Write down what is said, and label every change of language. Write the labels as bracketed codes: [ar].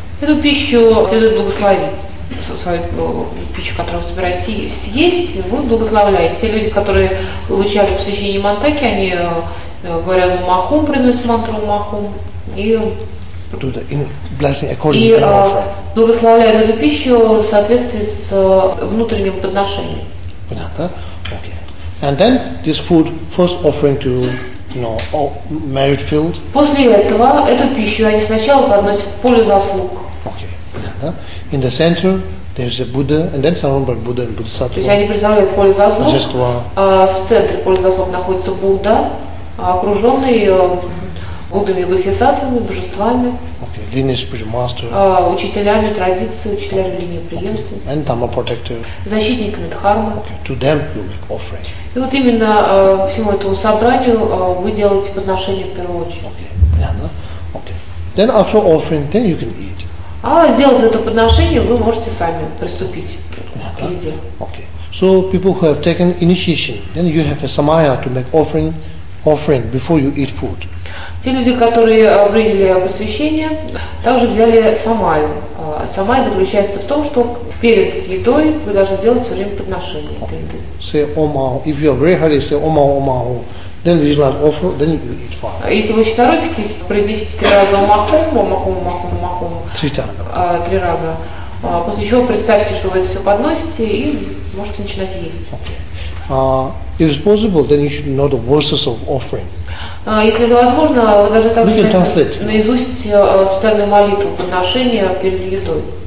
[ru] Эту пищу следует благословить. Свою пищу, которую вы собираетесь есть, вы благословляете. Те люди, которые получали посвящение мантаки, они говорят Ом Ахум, приносят мантру Ом Ахум и [en] do the inner blessing according to offering. [ru] Благословляют эту пищу в соответствии с внутренним подношением. Понятно? [en] Okay. And then this food first offering to, you know, merit field. [ru] После этого эту пищу они сначала подносят в поле заслуг. [en] Okay. In the center there's a Buddha and then someone by Buddha and Bodhisattva. [ru] То есть они представляют поле заслуг. [en] Just one. [ru] В центре поля заслуг находится Будда, окруженный Буддами, Бодхисаттвами, божествами. [en] Okay. Lineage Premaster. [ru] Учителями традиции, учителями линии преемственности. [en] And Dhamma Protector. [ru] Защитниками Дхармы. [en] Okay. To them you make offering. [ru] И вот именно всему этому собранию вы делаете подношение в первую очередь. [en] Okay. Yeah, no? Okay. Then after offering, then you can eat. [ru] А сделав это подношение, вы можете сами приступить к еде. [en] Okay. So people who have taken initiation, then you have a samaya to make offering before you eat food. [ru] Те люди, которые приняли посвящение, также взяли самаю. Самая заключается в том, что перед едой вы должны делать все время подношение этой еды. [en] Say Om Ahum. If you are very hungry, say Om Ahum, Om Ahum. Then you will offer, then you eat fast. [ru] Если вы торопитесь, произнесите три раза Om Ahum, Om Ahum, Om Ahum, Om Ahum. Три раза. После чего представьте, что вы это все подносите и можете начинать есть. [en] If it's possible, then you should know the verses of offering. [ru] Если это возможно, вы даже так знаете, наизусть специальную молитву подношения перед едой.